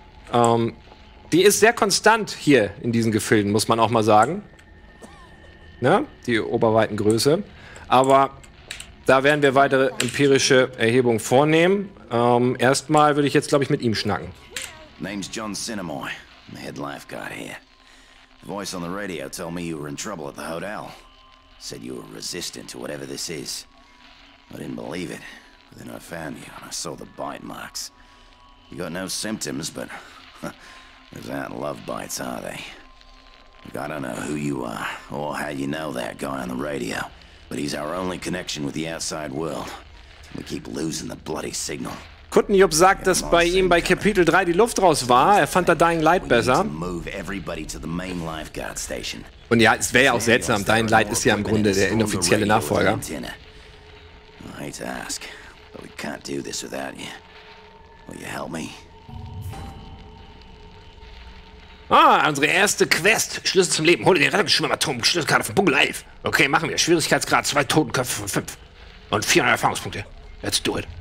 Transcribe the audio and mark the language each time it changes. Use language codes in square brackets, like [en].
[de] Die ist sehr konstant hier in diesen Gefilden, muss man auch mal sagen. Ne? Die Oberweitengröße. Aber da werden wir weitere empirische Erhebungen vornehmen. Erstmal würde ich jetzt, glaube ich, mit ihm schnacken. [en] Name's John Sinemoy. I'm the head lifeguard here. Voice on the radio told me you were in trouble at the hotel. Said you were resistant to whatever this is. I didn't believe it. But then I found you and I saw the bite marks. You got no symptoms, but... Those aren't love bites, are they? Look, I don't know who you are, or how you know that guy on the radio, but he's our only connection with the outside world. We keep losing the bloody signal. [de] Kuttenjupp sagt, dass bei ihm bei Kapitel 3 die Luft raus war. Er fand da Dying Light besser. Und ja, es wäre ja auch seltsam. Dying Light ist ja im Grunde der inoffizielle Nachfolger. [en] I hate to ask, but we can't do this without you. Will you help me? [de] Ah, unsere erste Quest. Schlüssel zum Leben. Hole den Rettungsschwimmatom. Schlüsselkarte von Bungle 11. Okay, machen wir. Schwierigkeitsgrad 2 Totenköpfe von 5. Und 400 Erfahrungspunkte. [en] Let's do it.